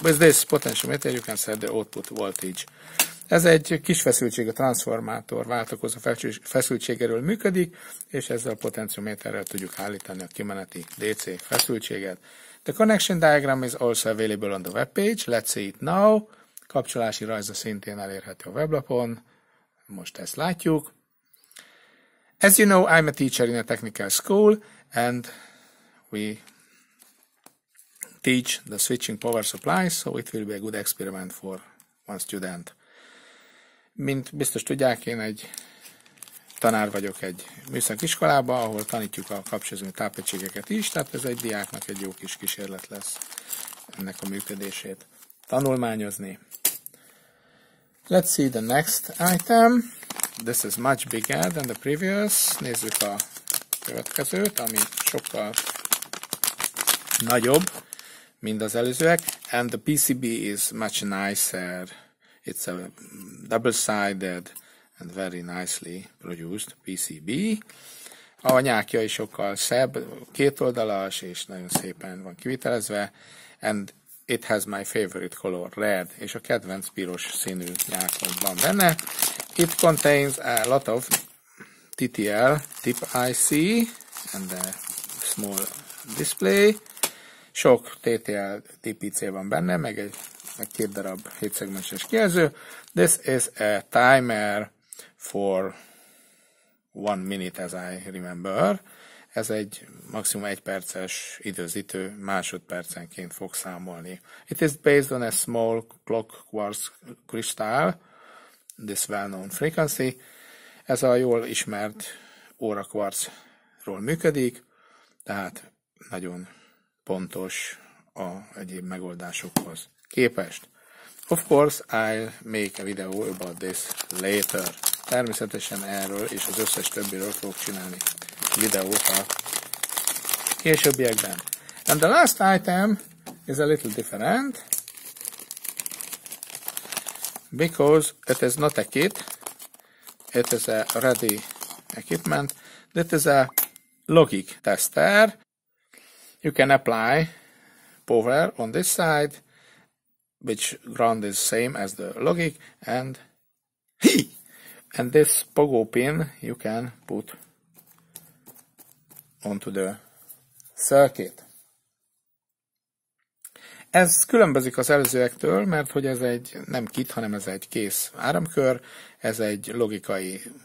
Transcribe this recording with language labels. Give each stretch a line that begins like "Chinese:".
English: With this potentiometer, you can set the output voltage.
Hungarian: Ez egy kis feszültség, a transformátor váltakozó feszültségéről működik, és ezzel a potentiométerrel tudjuk állítani a kimeneti DC feszültséget.
English: The connection diagram is also available on the webpage. Let's see it now.
Hungarian: Kapcsolási rajza szintén elérhető a weblapon. Most ezt látjuk.
English: As you know, I'm a teacher in a technical school, and we teach the switching power supply, so it will be a good experiment for one student.
Hungarian: Mint biztos tudják, én egy tanár vagyok egy műszakiskolában, ahol tanítjuk a kapcsolóüzemi tápegységeket is, tehát ez egy diáknak egy jó kis kísérlet lesz ennek a működését tanulmányozni.
English: Let's see the next item. This is much bigger than the previous.
Hungarian: Nézzük a következőt, ami sokkal nagyobb, mint az előzőek.
English: And the PCB is much nicer. It's a double-sided and very nicely produced PCB.
Hungarian: A nyákja is sokkal szebb, kétoldalas, és nagyon szépen van kivitelezve.
English: And it has my favorite color, red,
Hungarian: és a kedvenc piros színű nyákon van benne.
English: It contains a lot of TTL, tip IC, and a small display.
Hungarian: Sok TTL tip IC van benne, meg egy meg két darab 7-szegmenses kijelző.
English: This is a timer for 1 minute, as I remember.
Hungarian: Ez egy maximum 1 perces időzítő, másodpercenként fog számolni.
English: It is based on a small clock quartz crystal, this well-known frequency.
Hungarian: Ez a jól ismert óra kvarcról működik, tehát nagyon pontos a egyéb megoldásokhoz képest.
English: Of course, I'll make a video about this later.
Hungarian: Természetesen erről és az összes többiről fogok csinálni videót a későbbiekben.
English: And the last item is a little different, because it is not a kit, it is a ready equipment. This is a logic tester. You can apply power on this side, which ground is same as the logic, and this pogo pin you can put onto the circuit.
Hungarian: Ez különbözik az előzőektől, mert hogy ez egy nem kit, hanem ez egy kész áramkör, ez egy logikai